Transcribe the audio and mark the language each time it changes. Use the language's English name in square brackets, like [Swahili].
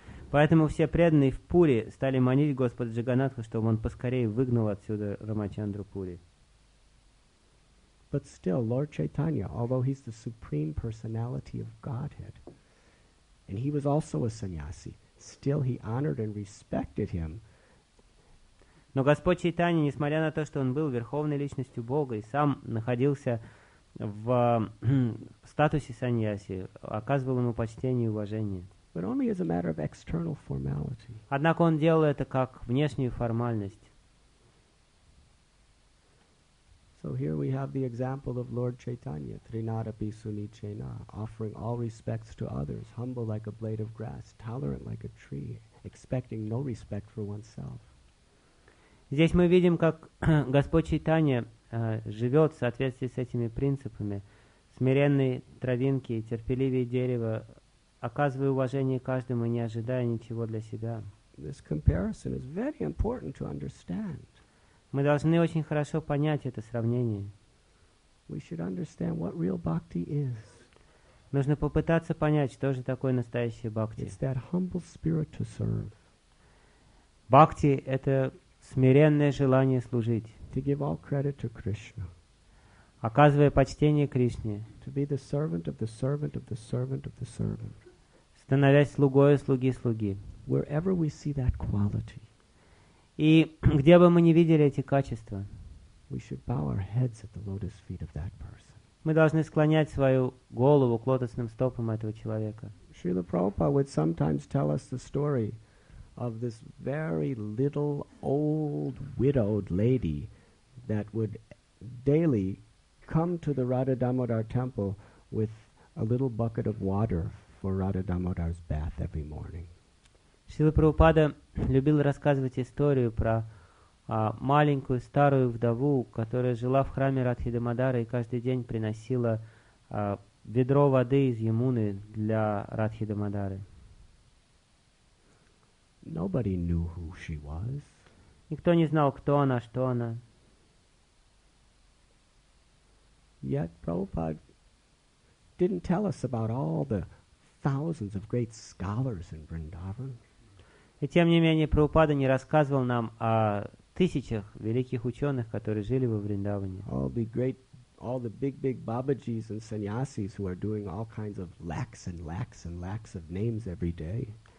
[Russian] Поэтому все преданные в Пури стали манить Господа Джаганатху, чтобы он поскорее выгнал отсюда Рамачандру Пури. [English] But still, Lord Chaitanya, although he's the supreme personality of Godhead, and he was also a sannyasi, still he honored and respected him. [Russian] Но Господь Чайтанья, несмотря на то, что он был верховной личностью Бога и сам находился в статусе сannyasi, оказывал ему почтение и уважение. [English] But only as a matter of external formality. [Russian] Однако он делал это как внешнюю формальность. [English] So here we have the example of Lord Chaitanya, [Sanskrit] Trinada Bisuni Chena, [English] offering all respects to others, humble like a blade of grass, tolerant like a tree, expecting no respect for oneself. [Russian] Здесь мы видим, как Господь Чайтанья живет в соответствии с этими принципами. Смиренные травинки, терпеливее дерева, оказывая уважение каждому, не ожидая ничего для себя. [English] This comparison is very important to understand. [Russian] Мы должны очень хорошо понять это сравнение. [English] We should understand what real bhakti is. [Russian] Нужно попытаться понять, что же такое настоящая бхакти. [English] It's that humble spirit to serve. [Russian] Бхакти — это смиренное желание служить. [English] To give all credit to Krishna. [Russian] Оказывая почтение Кришне. [English] To be the servant of the servant of the servant of the servant. [Russian] Становясь слугой слуги слуги. [English] Wherever we see that quality. [Russian] И где бы мы ни видели эти качества, [English] we should bow our heads at the lotus feet of that person. [Russian] Мы должны склонять свою голову к лотосным стопам этого человека. [English] Шрила Прабхупада would sometimes tell us the story of this very little old widowed lady that would daily come to the Radha Damodar temple with a little bucket of water for Radha Damodar's bath every morning. [Russian] Шрила Прабхупада любил рассказывать историю про маленькую старую вдову, которая жила в храме Радхидамадары и каждый день приносила ведро воды из Ямуны для Радхидамадары. [English] Nobody knew who she was. [Russian] Никто не знал, кто она, что она. [English] Yet Prabhupada didn't tell us about all the thousands of great scholars in Vrindavan. [Russian] И тем не менее, Прабхупада не рассказывал нам о тысячах великих ученых, которые жили во Вриндаване. [English] All the great, all the big, big babajis and sannyasis who are doing all kinds of lakhs and lakhs and lakhs of names every day.